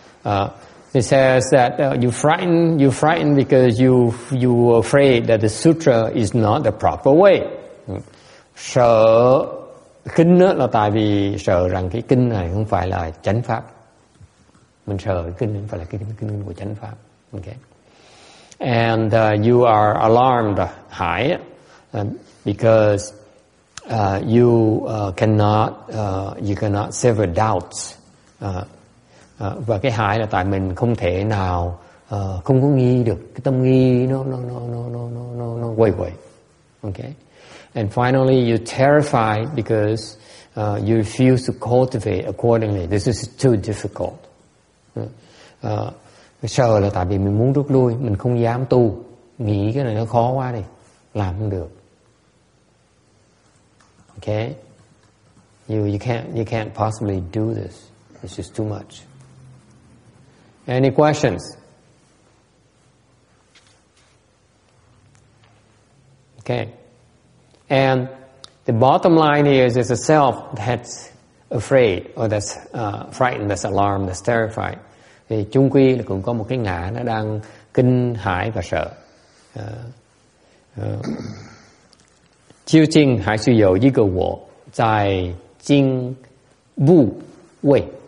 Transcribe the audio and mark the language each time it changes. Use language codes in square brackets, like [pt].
[en] It says that you frightened because you were afraid that the sutra is not the proper way. [vi] Sợ kinh là tại vì sợ rằng cái kinh này không phải là chánh pháp. Mình sợ kinh không phải là kinh của chánh pháp. [en] Okay. And you are alarmed, hãi, because you cannot sever doubts. [vi] Và cái hại là tại mình không thể nào không có nghi được, cái tâm nghi nó quay quay. [en] Okay. And finally you're terrified because you refuse to cultivate accordingly. This is too difficult. [vi] Sợ là tại vì mình muốn rút lui, mình không dám tu, nghĩ cái này nó khó quá đi, làm không được. [en] Okay. You can't possibly do this. It's just too much. Any questions? Okay. And the bottom line is, it's a self that's afraid or that's frightened, that's alarmed, that's terrified. [vi] Thì chung quy là cũng có một cái ngã nó đang kinh hãi và sợ. Chiêu chinh hãi suy dầu dí cơ vô tài chinh bu wei.